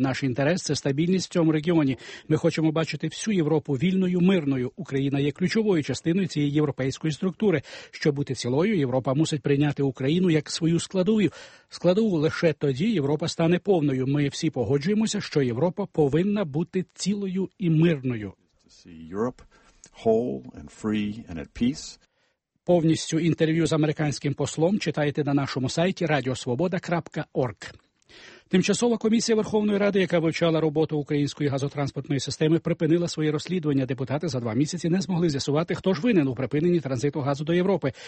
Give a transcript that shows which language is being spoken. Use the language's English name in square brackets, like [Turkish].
[Ukrainian] Наш інтерес – це стабільність в цьому регіоні. Ми хочемо бачити всю Європу вільною, мирною. Україна є ключовою частиною цієї європейської структури. Щоб бути цілою, Європа мусить прийняти Україну як свою складову. Лише тоді Європа стане повною. Ми всі погоджуємося, що Європа повинна бути цілою і мирною. [English] Europe whole and free and at peace. [Ukrainian] Повністю інтерв'ю з американським послом читайте на нашому сайті radiosvoboda.org. Тимчасова комісія Верховної Ради, яка вивчала роботу української газотранспортної системи, припинила своє розслідування. Депутати за 2 місяці не змогли з'ясувати, хто ж винен у припиненні транзиту газу до Європи.